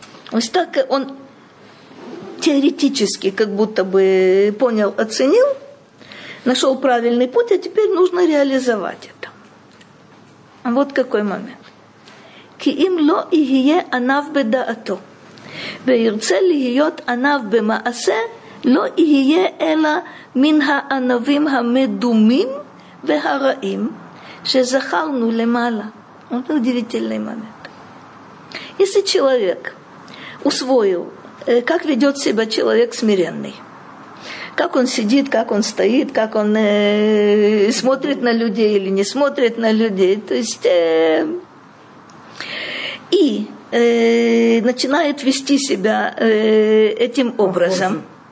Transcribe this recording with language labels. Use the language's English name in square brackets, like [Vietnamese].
[Russian] То есть так он теоретически как будто бы понял, оценил, нашел правильный путь, а теперь нужно реализовать это. А вот какой момент. [Hebrew] Ки им ло и гие анав бедаато. וירצה להיות ענב במעשה, לא יהיה אלא מן הענבים המדומים והרעים שזכרנו למעלה. [Russian] Это удивительный момент. Если человек усвоил, как ведет себя человек смиренный, как он сидит, как он стоит, как он смотрит на людей или не смотрит на людей, то есть и начинает вести себя этим образом.